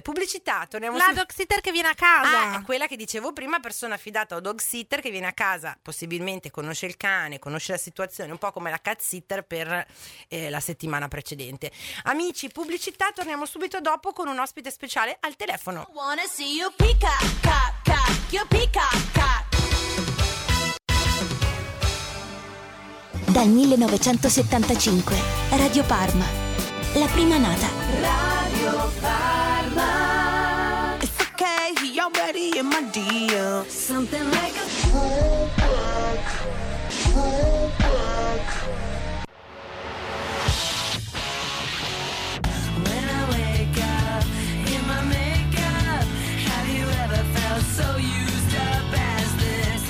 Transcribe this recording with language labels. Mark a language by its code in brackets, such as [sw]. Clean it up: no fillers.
[it] Pubblicità, torniamo la dog sitter che viene a casa. Ah, è quella che dicevo prima, persona affidata o dog sitter che viene a casa, possibilmente conosce il cane, conosce la situazione, un po' come la cat sitter per la settimana precedente. Amici, pubblicità, torniamo subito dopo con un ospite speciale al telefono. [en] I wanna see you peacock, your peacock. [it] Dal 1975, Radio Parma, la prima nata. [en] It's okay, y'all ready in my deal. Something like a throwback, throwback. When I wake up in my makeup, have you ever felt so used up as this?